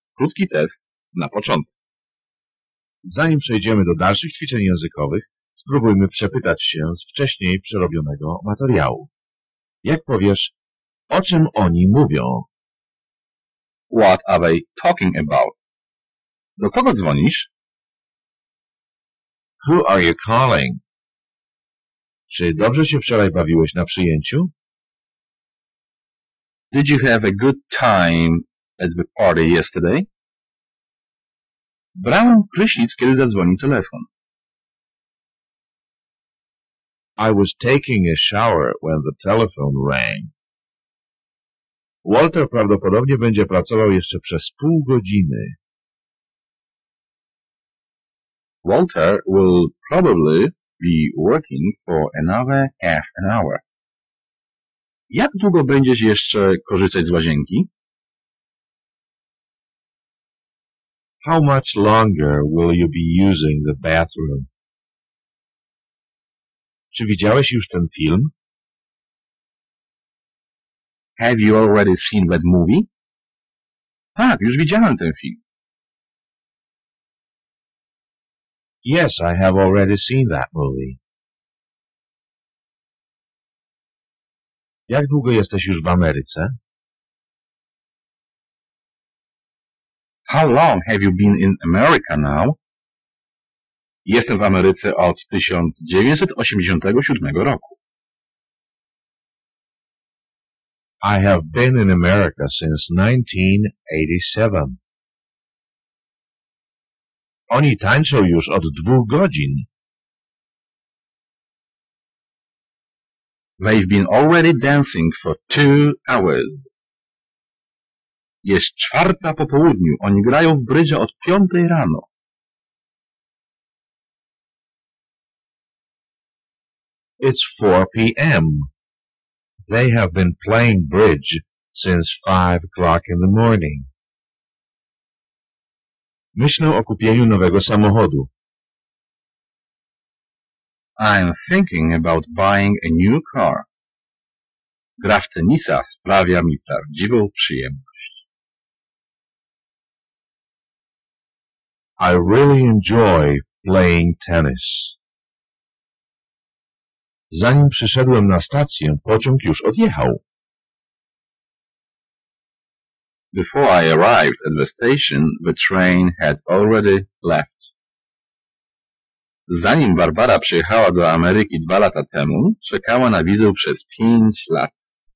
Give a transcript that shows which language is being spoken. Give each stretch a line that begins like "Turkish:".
Polish: Krótki test na początek. Zanim przejdziemy do dalszych ćwiczeń językowych, spróbujmy przepytać się z wcześniej przerobionego materiału. Jak powiesz, o czym oni mówią?
English: What are they talking about?
Polish: Do kogo dzwonisz?
English: Who are you calling?
Polish: Czy dobrze się wczoraj bawiłeś na przyjęciu?
English: Did you have a good time at the party yesterday?
Polish: Brałem prysznic, kiedy zadzwonił telefon.
English: I was taking a shower when the telephone rang.
Polish: Walter prawdopodobnie będzie pracował jeszcze przez pół godziny.
English: Walter will probably be working for another half an hour.
Polish: Jak długo będziesz jeszcze korzystać z łazienki?
English: How much longer will you be using the bathroom?
Polish: Czy widziałeś już ten film?
English: Have you already seen that movie?
Polish: Tak, już widziałem ten film.
English: Yes, I have already seen that movie.
Polish: Jak długo jesteś już w Ameryce?
English: How long have you been in America now?
Polish: Jestem w Ameryce od 1987 roku.
English: I have been in America since 1987.
Polish: Oni tańczą już od 2 godzin.
English: They've been already dancing for 2 hours.
Polish: Jest 4:00 po południu. Oni grają w brydża od 5:00 rano.
English: It's 4 p.m. They have been playing bridge since 5:00 in the morning.
Polish: Myślę o kupieniu nowego samochodu.
English: I'm thinking about buying a new car.
Polish: Gra w tenisa sprawia mi prawdziwą przyjemność.
English: I really enjoy playing tennis.
Polish: Zanim przyszedłem na stację, pociąg już odjechał.
English: Before I arrived at the station, the train had already left.
Polish: Zanim Barbara przyjechała do Ameryki 2 lata temu, czekała na wizę przez 5 lat.